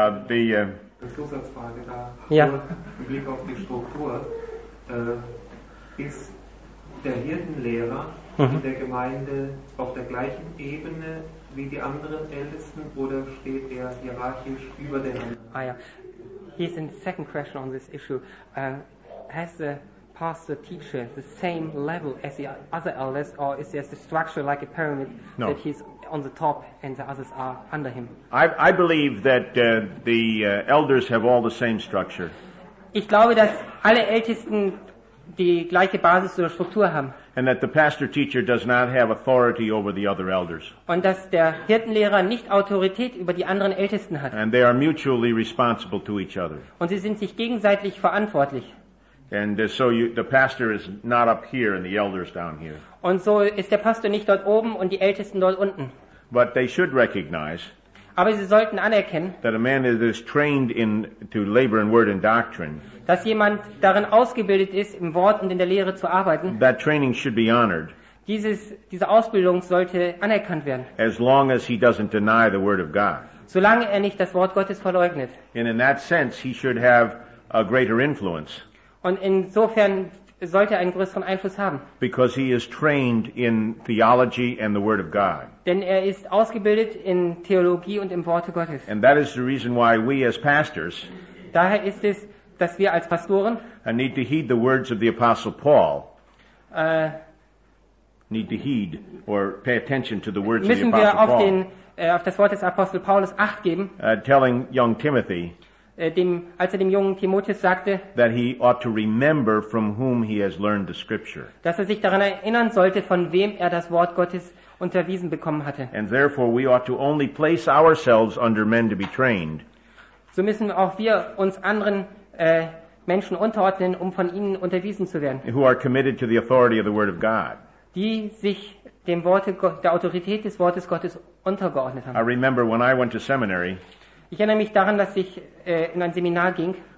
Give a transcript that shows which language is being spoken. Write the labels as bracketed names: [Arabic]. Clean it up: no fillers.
[German] Die Zusatzfrage da. Ja. Im Blick auf die Struktur ist der Hirtenlehrer in der Gemeinde auf der gleichen Ebene wie die anderen Ältesten oder steht er hierarchisch über den anderen? [English] Ah ja. Here's the second question on this issue. Has the pastor, teacher the same level as the other elders, or is there a structure like a pyramid No. that he's on the top and the others are under him? I believe that the elders have all the same structure. [German] Ich glaube, dass alle Ältesten die gleiche Basis oder Struktur haben. [English] And that the pastor-teacher does not have authority over the other elders. [German] Und dass der Hirtenlehrer nicht Autorität über die anderen Ältesten hat. [English] And they are mutually responsible to each other. [German] Und sie sind sich gegenseitig verantwortlich. [English] And so the pastor is not up here and the elders down here. [German] Und so ist der Pastor nicht dort oben und die Ältesten dort unten. [English] But they should recognize. [German] Aber sie sollten anerkennen. [English] That a man that is trained in to labor in word and doctrine. [German] Dass jemand darin ausgebildet ist, im Wort und in der Lehre zu arbeiten. [English] That training should be honored. [German] Diese Ausbildung sollte anerkannt werden. [English] As long as he doesn't deny the word of God. [German] Solange er nicht das Wort Gottes verleugnet. [English] And in that sense, he should have a greater influence. [German] Und insofern sollte er einen größeren Einfluss haben. [English] Because he is trained in theology and the word of God. [German] Denn er ist ausgebildet in Theologie und im Worte Gottes. [English] And that is the reason why we as pastors. [German] Daher ist es, dass wir als Pastoren. [English] I need to heed the words of the Apostle Paul. Need to heed or pay attention to the words of the Apostle Paul. [German] Müssen wir auf das Wort des Apostel Paulus Acht geben. [English] Telling young Timothy. [German] Als er dem jungen Timotheus sagte, [English] that he ought to remember from whom he has learned the scripture. [German] Dass er sich daran erinnern sollte, von wem er das Wort Gottes unterwiesen bekommen hatte. [English] And therefore we ought to only place ourselves under men to be trained. [German] So müssen auch wir uns anderen Menschen unterordnen, um von ihnen unterwiesen zu werden. [English] Who are committed to the authority of the word of God. [German] Die sich dem Worte, der Autorität des Wortes Gottes untergeordnet haben. [English] I remember when I went to seminary. [German] Ich erinnere mich daran, dass ich in ein Seminar ging.